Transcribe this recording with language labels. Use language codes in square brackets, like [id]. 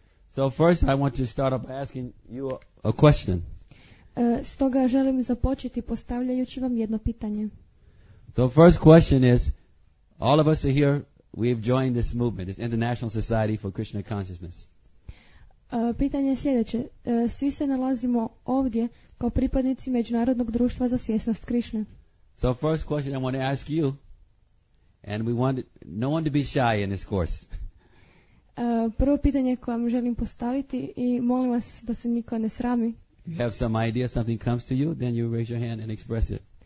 [en] So first I want to start up asking you a question. [hr] Stoga želim započeti postavljajući vam jedno pitanje. [en] The first question is, all of us are here, we've joined this movement, this International Society for Krishna Consciousness. [hr] Pitanje je sljedeće. Svi se nalazimo ovdje kao pripadnici Međunarodnog društva za svjesnost Krišne. [en] So first question I want to ask you, and we want no one to be shy in this course. [hr] Prvo pitanje koje vam želim postaviti i molim vas da se niko ne srami. [en] If you have some idea, something comes to you, then you raise your hand and express it.